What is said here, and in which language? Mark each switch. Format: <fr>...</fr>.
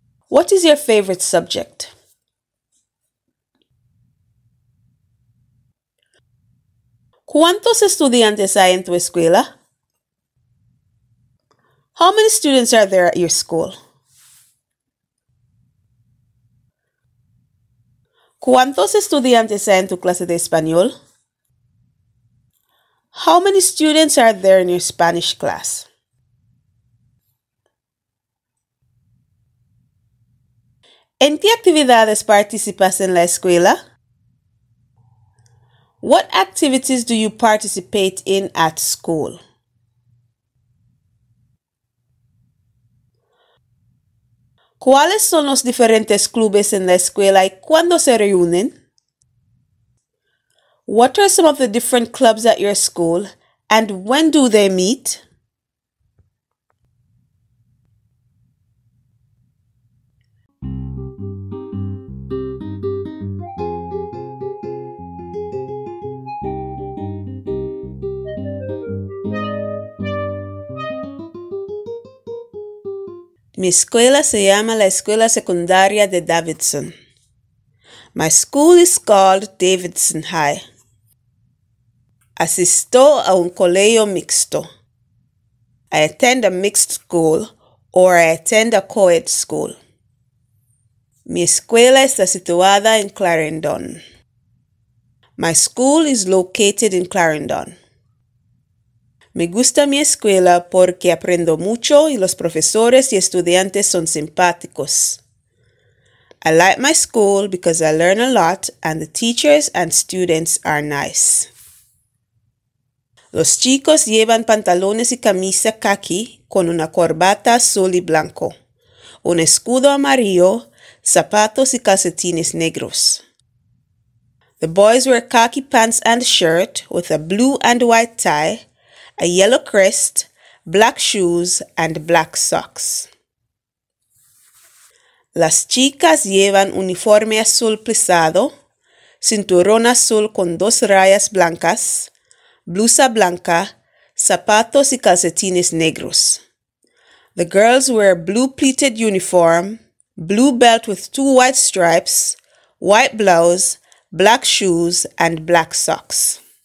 <en>What is your favorite subject?</en> <es>¿Cuántos estudiantes hay en tu escuela?</es> <en>How many students are there at your school?</en> <es>¿Cuántos estudiantes hay en tu clase de español?</es> <en>How many students are there in your Spanish class?</en> <es>¿En qué actividades participas en la escuela?</es> <en>What activities do you participate in at school?</en> <es>¿Cuáles son los diferentes clubes en la escuela y cuándo se reúnen?</es> <en>What are some of the different clubs at your school and when do they meet?</en> <es>Mi escuela se llama la Escuela Secundaria de Davidson.</es> <en>My school is called Davidson High.</en> <es>Asisto a un colegio mixto.</es> <en>I attend a mixed school or I attend a co-ed school.</en> <es>Mi escuela está situada en Clarendon.</es> <en>My school is located in Clarendon.</en> <es>Me gusta mi escuela porque aprendo mucho y los profesores y estudiantes son simpáticos.</es> <en>I like my school because I learn a lot and the teachers and students are nice.</en> <es>Los chicos llevan pantalones y camisa khaki con una corbata azul y blanco, un escudo amarillo, zapatos y calcetines negros.</es> <en>The boys wear khaki pants and shirt with a blue and white tie, a yellow crest, black shoes, and black socks.</en> <es>Las chicas llevan uniforme azul plisado, cinturón azul con dos rayas blancas, blusa blanca, zapatos y calcetines negros.</es> <en>The girls wear blue pleated uniform, blue belt with two white stripes, white blouse, black shoes, and black socks.</en>